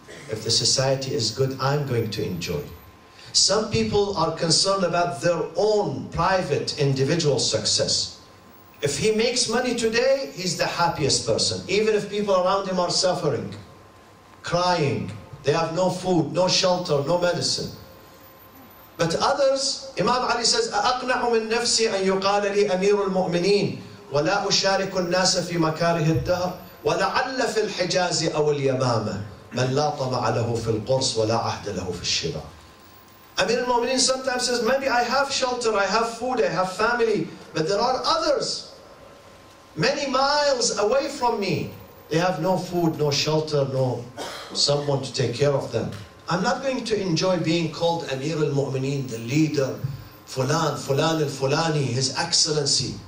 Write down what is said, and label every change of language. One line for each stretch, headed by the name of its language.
English: If the society is good, I'm going to enjoy. Some people are concerned about their own private individual success. If he makes money today, he's the happiest person. Even if people around him are suffering, crying, they have no food, no shelter, no medicine. But others, Imam Ali says,
Arabic: أَأَقْنَعُ مِن نَفْسِي أَن يُقَالَ لِي أَمِيرُ الْمُؤْمِنِينَ وَلَا أُشَارِكُ النَّاسَ فِي مَكَارِهِ الدَّهْرِ وَلَعَلَّ فِي الْحِجَازِ أَوْ الْيَمَامَةِ مَنْ لَا طَمَعَ لَهُ فِي الْقُرْصِ وَلَا عَهْدَ لَهُ فِي الشِّبَعِ.
English: Amir al-Mu'mineen sometimes says, maybe I have shelter, I have food, I have family, but there are others many miles away from me. They have no food, no shelter, no someone to take care of them. I'm not going to enjoy being called Amir al-Mu'mineen, the leader, Fulan, Fulan al-Fulani, His Excellency.